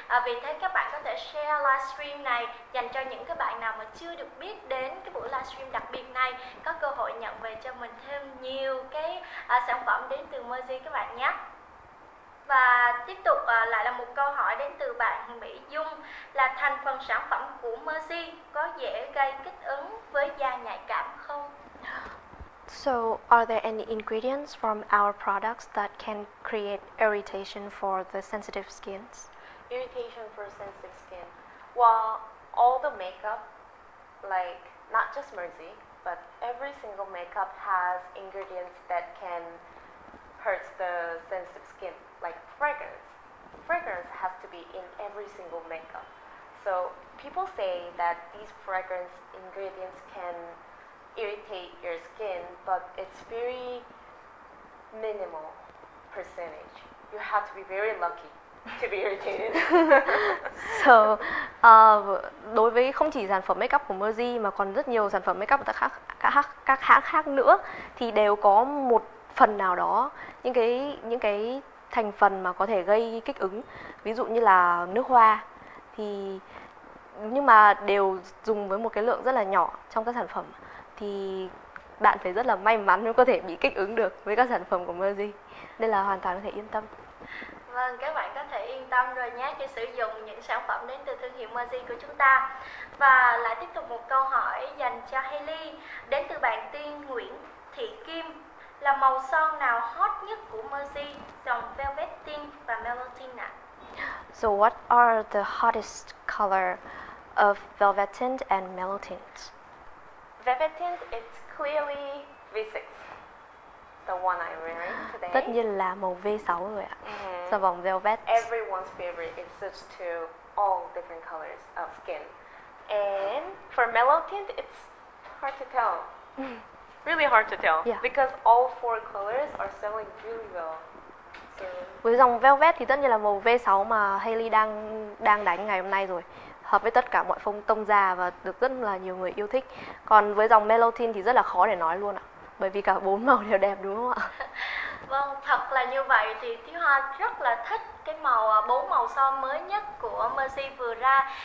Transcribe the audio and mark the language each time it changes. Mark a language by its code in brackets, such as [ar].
[vi] Vì thế các bạn có thể share livestream này dành cho những cái bạn nào mà chưa được biết đến cái buổi livestream đặc biệt này, có cơ hội nhận về cho mình thêm nhiều cái sản phẩm đến từ Mercy các bạn nhé. Và tiếp tục lại là một câu hỏi đến từ bạn Mỹ Dung là thành phần sản phẩm của Mercy có dễ gây kích ứng với da nhạy cảm không? [en] So, are there any ingredients from our products that can create irritation for the sensitive skins? Irritation for sensitive skin. Well, all the makeup, like not just Mercy, but every single makeup has ingredients that can hurt the sensitive skin, like fragrance. Fragrance has to be in every single makeup. So, people say that these fragrance ingredients can irritate your skin, but it's very minimal percentage. You have to be very lucky to be irritated. [vi] So, đối với không chỉ sản phẩm makeup của Mercy mà còn rất nhiều sản phẩm makeup của các hãng khác nữa thì đều có một phần nào đó những cái thành phần mà có thể gây kích ứng, ví dụ như là nước hoa, thì nhưng mà đều dùng với một cái lượng rất là nhỏ trong các sản phẩm. Thì bạn phải rất là may mắn mới có thể bị kích ứng được với các sản phẩm của Mercy. Nên là hoàn toàn có thể yên tâm. Vâng, các bạn có thể yên tâm rồi nhé khi sử dụng những sản phẩm đến từ thương hiệu Mercy của chúng ta. Và lại tiếp tục một câu hỏi dành cho Hailey đến từ bạn Tiên Nguyễn Thị Kim là màu son nào hot nhất của Mercy, dòng Velvet Tint và Mellow Tint ạ? [en] So what are the hottest color of Velvet Tint and Mellow Tint? Velvet Tint, it's clearly V6, the one I'm wearing today. [vi] Tất nhiên là màu V6 rồi ạ. Sản phẩm Velvet. [en] Everyone's favorite, it suits to all different colors of skin. And for Mellow Tint, it's hard to tell. Really hard to tell. Yeah. Because all four colors are selling really well. So. [vi] Với dòng Velvet thì tất nhiên là màu V6 mà Hailey đang đánh ngày hôm nay rồi. Hợp với tất cả mọi phong tông da và được rất là nhiều người yêu thích. Còn với dòng Melotin thì rất là khó để nói luôn ạ. Bởi vì cả bốn màu đều đẹp đúng không ạ? Vâng, thật là như vậy thì Thúy Hoa rất là thích cái màu bốn màu son mới nhất của Mercy vừa ra.